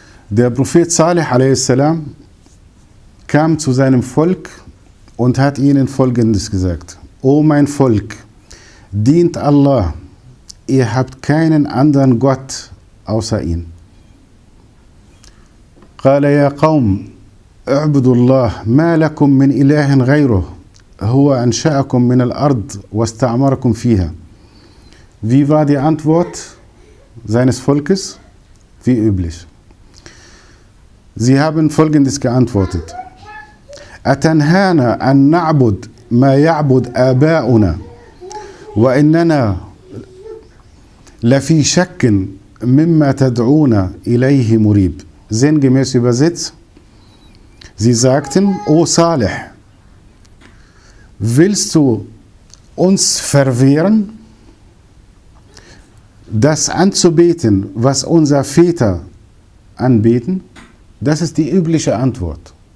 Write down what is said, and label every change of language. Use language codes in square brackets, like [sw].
[de] Der Prophet Salih a.s. kam zu seinem Volk und hat ihnen Folgendes gesagt. O mein Volk, dient Allah, ihr habt keinen anderen Gott außer ihn. [ar] Qala ya qawm, اعبدوا الله ما لكم من إله غيره هو أنشأكم من الأرض واستعمركم فيها. [de] Wie war die Antwort seines Volkes? Wie üblich. Sie haben folgendes geantwortet. [ar] أتنهانا أن نعبد ما يعبد آباؤنا وإننا لفي شك مما تدعونا إليه مريب. [de] Sinngemäß übersetzt. Sie sagten, O Salih, willst du uns verwehren, das anzubeten, was unsere Väter anbeten? Das ist die übliche Antwort.